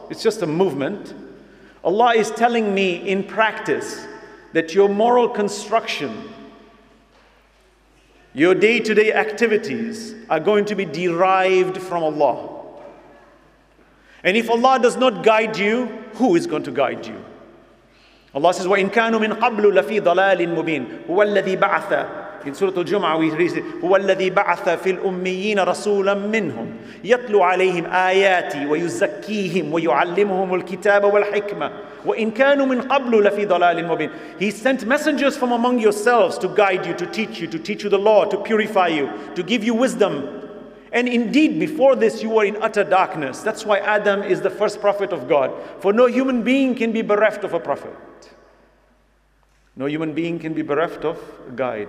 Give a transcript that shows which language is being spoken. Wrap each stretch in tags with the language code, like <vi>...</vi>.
<en>It's just a movement. Allah is telling me in practice that your moral construction, your day-to-day activities are going to be derived from Allah. And if Allah does not guide you, who is going to guide you?</en> <ar>Allah says, وَإِنْ كَانُوا مِنْ قَبْلُ لَفِي ضَلَالٍ مُبِينٍ هُوَ الَّذِي بَعَثَ.</ar> <en>In Surah Al-Jum'ah, we read it,</en> <ar>هُوَ الَّذِي بَعَثَ فِي الْأُمِّيِّينَ رَسُولًا مِّنْهُمْ يَتْلُوا عَلَيْهِمْ آيَاتِي وَيُزَكِّيهِمْ وَيُعَلِّمُهُمُ الْكِتَابَ وَالْحِكْمَةِ وَإِنْ كَانُوا مِنْ قَبْلُ لَفِي ضَلَالٍ مُبِينٍ.</ar> <en>He sent messengers from among yourselves to guide you, to teach you, to teach you the law, to purify you, to give you wisdom. And indeed, before this, you were in utter darkness. That's why Adam is the first prophet of God. For no human being can be bereft of a prophet. No human being can be bereft of a guide.</en>